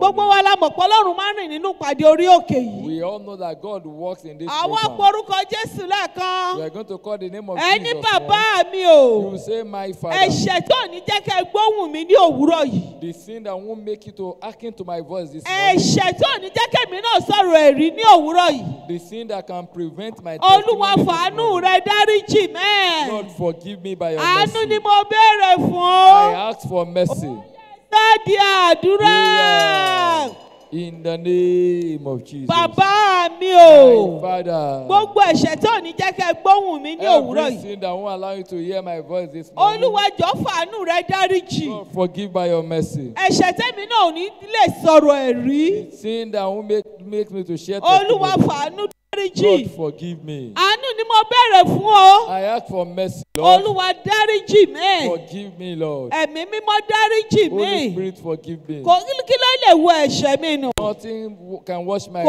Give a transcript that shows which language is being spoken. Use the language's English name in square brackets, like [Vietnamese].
[Yoruba] Gbogbo wa la mọ̀ pé Ọlọ́run máa ń rìn nínú ìpàdé orí òkè yìí. [English] We all know that God works in this [Yoruba] program. Àwa porúkọ Jésù lẹ́ẹ̀kan. [English] We are going to call the name of Jesus. [Yoruba] Ẹni bàbá mi. [English] You say my father. [Yoruba] Ẹ̀ṣẹ̀ tó ní jẹ́ kẹ́ gbóhùn mi ní òwúrọ̀ yìí. [English] The sin that won't make you to hearken to my voice this morning. [Yoruba] Ẹ̀ṣẹ̀ tó ní jẹ́ kẹ́ mi náà sọ̀rọ̀ ẹ̀rí ní òwúrọ̀ yìí. [English] The sin that can prevent my testimony. [Yoruba] Olúwa fàánú rẹ dáríjì mẹ́. [English] God forgive me by your [Yoruba] mercy. Àánú ni mo béèrè fún. [English] I ask for mercy. [Yoruba] Jáde àdúrà. [English] In the name of Jesus. [Yoruba] Bàbá mi o. [English] My father. [Yoruba] Gbogbo ẹ̀ṣẹ̀ tó ní jẹ́ kẹ́ gbóhùn mi ní òwúrọ̀ yìí. [English] Every sin that won't allow you to hear my voice this morning. [Yoruba] Olúwa jọ fàánú rẹ dáríjì. [English] God forgive by your mercy. [Yoruba] Ẹ̀ṣẹ̀ tẹ́mi náà ò ní lè sọ̀rọ̀ ẹ̀rí. [English] Sin that won't make me to share [Yoruba] testimony. Olúwa fàánú dáríjì. [English] God forgive me. [Yoruba] Àánú ni mo béèrè fún o. [English] I ask for mercy. [Yoruba] Olúwa dáríjì mi. [English] Forgive me, Lord. [Yoruba] Ẹ̀mí mímọ́ dáríjì mi. [English] Holy Spirit, forgive me. [Yoruba] Kò kí ló lè wo ẹ̀ṣẹ̀ mi nù. [English] Nothing can wash my sin.